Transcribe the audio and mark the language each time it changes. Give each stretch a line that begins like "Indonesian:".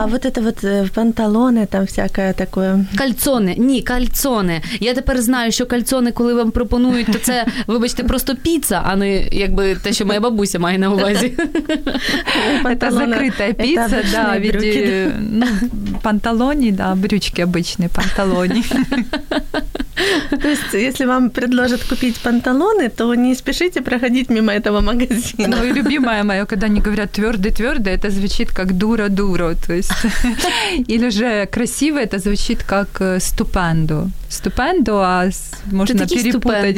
Russian: А вот это вот панталони, там всякое такое.
Ukrainian: Кальцони. Ні, кальцони. Я тепер знаю, що кальцони, коли вам пропонують, то це, вибачте, просто піца, а не якби те, що моя бабуся має на увазі. Це закрита піца, да, від панталоні, да,
Russian: брючки обичні,
Ukrainian: панталоні.
Russian: То есть, если вам предложат купить панталоны, то не спешите проходить мимо этого магазина. Ну и любимое мое, когда они говорят твердый-твердый, это звучит как дура-дура. То есть. Или же красивое, это звучит как ступендо. Ступендо, а можно перепутать.